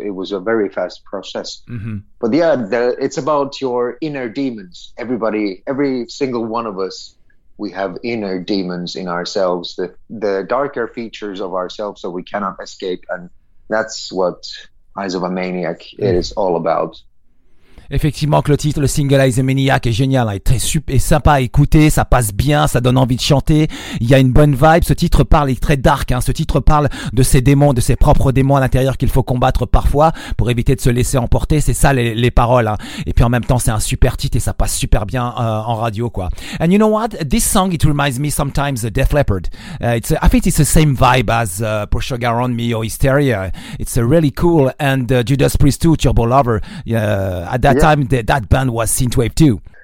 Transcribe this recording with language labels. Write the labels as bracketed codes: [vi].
[en] It was a very fast process. Mm-hmm. But yeah, it's about your inner demons. Everybody, every single one of us, we have inner demons in ourselves, the darker features of ourselves that we cannot escape. And that's what Eyes of a Maniac is all about. [fr] Effectivement que le titre, le single Eyes of Maniac est génial, hein, est très super, sympa à écouter, ça passe bien, ça donne envie de chanter, il y a une bonne vibe, ce titre parle, il est très dark, hein, ce titre parle de ses démons, de ses propres démons à l'intérieur qu'il faut combattre parfois pour éviter de se laisser emporter, c'est ça les paroles, hein. Et puis en même temps c'est un super titre et ça passe super bien en radio, quoi. [en] And you know what, this song, it reminds me sometimes of Def Leppard, I think it's the same vibe as Pour Sugar on Me or Hysteria, it's really cool, and Judas Priest 2, Turbo Lover, at that time that band was synthwave too.